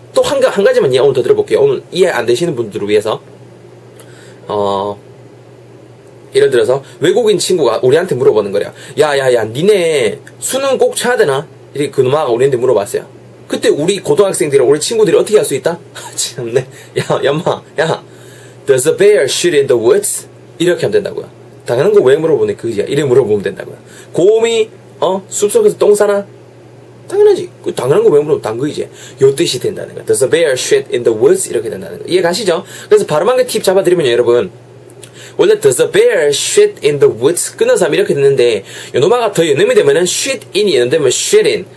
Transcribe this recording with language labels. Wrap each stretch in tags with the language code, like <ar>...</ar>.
<ko>또 한 가지만 이해 오늘 더 들어볼게요. 오늘 이해 안 되시는 분들을 위해서 예를 들어서 외국인 친구가 우리한테 물어보는 거래요. 야야야 니네 수능 꼭 쳐야 되나? 이렇게 그 누나가 우리한테 물어봤어요. 그때 우리 고등학생들이랑 우리 친구들이 어떻게 할 수 있다? 참네. 야 연마 야</ko> <en>There's a bear shit in the woods.</en> <ko>이렇게 하면 된다고요. 당연한 거 왜 물어보네 그지야. 이래 물어보면 된다고요. 곰이 숲속에서 똥 싸나? 당연하지. 그 당연한 거 왜 물어보면 당근이지. 요 뜻이 된다는 거.</ko> <en>There's a bear shit in the woods.</en> <ko>이렇게 된다는 거. 이해 가시죠? 그래서 발음한 게 팁 잡아드리면요 여러분 원래</ko> <en>there's a bear shit in the woods</en> <ko>끊어서 하면 이렇게 되는데 요놈아가 더 연음이 되면은 shit in이 연음되면 shit in.</ko>